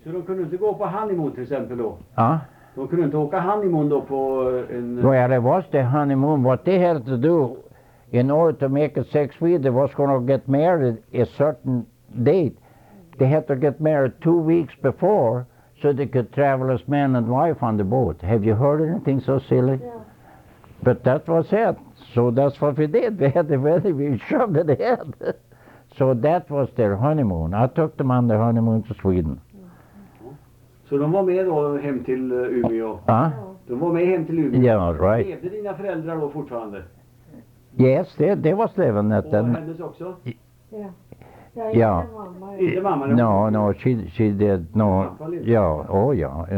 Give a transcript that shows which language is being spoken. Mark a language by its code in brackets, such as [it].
[sv] So de kunde inte gå på honeymoon till exempel då. Ah? De kunde inte åka honeymoon då på en. [en] Well, it was the honeymoon. What they had to do in order to make it 6 weeks, they was going to get married a certain date. They had to get married 2 weeks before so they could travel as man and wife on the boat. Have you heard anything so silly? Yeah. But that was it. So that's what we did. We had the wedding, we shoved it ahead. So that was their honeymoon. I took them on their honeymoon to Sweden. [sv] Så de var med då hem till Umeå? Ja. De var med hem till Umeå? [en] Ja, yeah, right. [sv] Levde dina föräldrar då fortfarande? [en] Yes, they was living at that. [sv] Och hennes också? Ja. Inte mamma? [en] No, no, she did. No. Ja, oh ja, yeah.